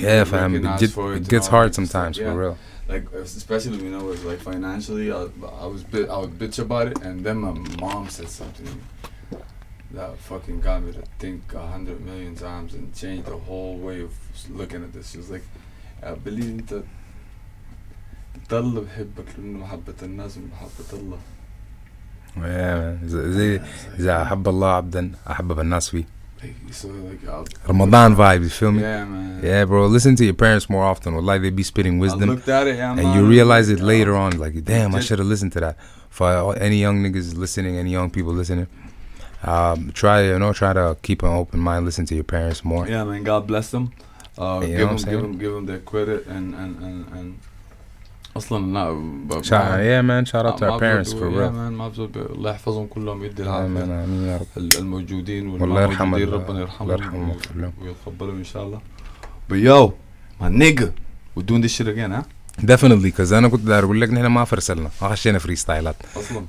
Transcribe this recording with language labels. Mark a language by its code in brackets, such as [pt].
[en] yeah fam it gets hard sometimes for real. Like especially you know it's like financially I would bitch about it and then my mom said something that fucking got me to think 100 million times and changed the whole way of looking at this. She was like, I believe in that. [ar] تضل بحبك لأن محبة الناس محبة الله. [en] Yeah, man. [ar] إذا أحب الله عبدا أحبب الناس فيه. [en] Like Ramadan vibe, you feel me? Yeah, man. Yeah, bro. Listen to your parents more often. Like they be spitting wisdom. I looked at it, yeah, man. And you realize it later on. Like, damn, I should have listened to that. For any young niggas listening, any young people listening. Try to keep an open mind, listen to your parents more. Yeah, man, God bless them. Give them their credit and [ar] أصلاً لا. [en] Yeah, man, shout out to our parents for real. Yeah, man, [ar] ما بزوج الله يحفظهم كلهم يدي العافية. آمين آمين يا رب. الموجودين والموجودين ربنا يرحمهم كلهم ويتقبلهم إن شاء الله. [en] But yo, my nigga, we're doing this shit again, huh? [ar] ديفينتلي كذا انا كنت داير اقول لك نحن ما فرسلنا ما خشينا فريستايلات اصلا